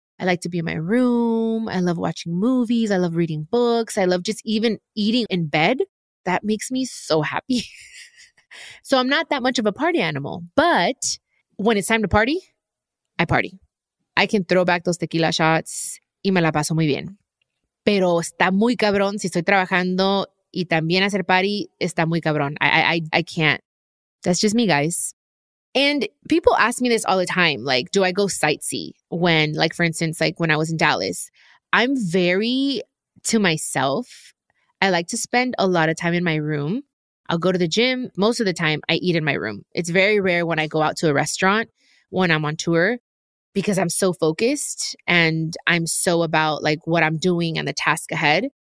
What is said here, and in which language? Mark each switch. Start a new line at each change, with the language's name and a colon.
English: I like to be in my room. I love watching movies. I love reading books. I love just even eating in bed. That makes me so happy. So I'm not that much of a party animal, but when it's time to party, I party. I can throw back those tequila shots
Spanish: y me la paso muy bien. Pero está muy cabrón si estoy trabajando y también hacer party, está muy cabrón.
English: I can't. That's just me, guys. And people ask me this all the time. Like, do I go sightsee when, like, for instance, like when I was in Dallas, I'm very to myself. I like to spend a lot of time in my room. I'll go to the gym. Most of the time, I eat in my room. It's very rare when I go out to a restaurant when I'm on tour because I'm so focused and I'm so about like what I'm doing and the task ahead.